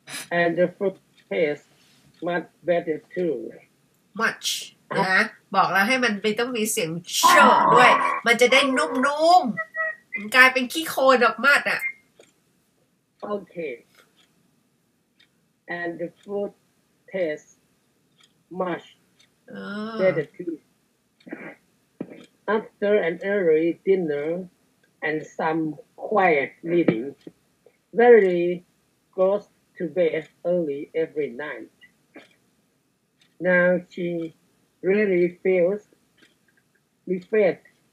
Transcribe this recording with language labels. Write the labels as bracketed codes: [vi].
[en] And the food tastes much better too. Much. [th] นะบอกแล้วให้มันไม่ต้องมีเสียงเชิ่งด้วยมันจะได้นุ่มๆมันกลายเป็นขี้โคลนออกมาอ่ะ [en] โอเค and the food tastes much better too after an early dinner and some quiet reading very goes to bed early every night now she really feels refreshed